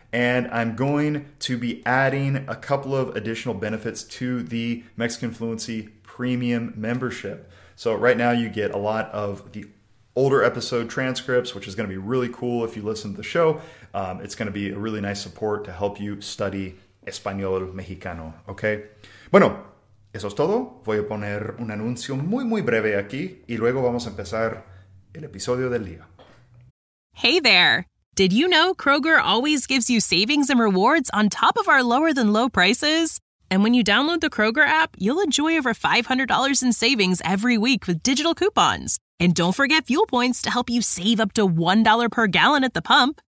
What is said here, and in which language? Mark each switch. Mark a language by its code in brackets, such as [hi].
[en] And I'm going to be adding a couple of additional benefits to the Mexican Fluency Premium membership. So right now you get a lot of the older episode transcripts, which is going to be really cool if you listen to the show. It's going to be a really nice support to help you study Español Mexicano. [es] Okay. Bueno, eso es todo. Voy a poner un anuncio muy, muy breve aquí y luego vamos a empezar el episodio del día. [en] Hey there. Did you know Kroger always gives you savings and rewards on top of our lower than low prices? And when you download the Kroger app, you'll enjoy over $500 in savings every week with digital coupons. And don't forget fuel points to help you save up to $1 per gallon at the pump.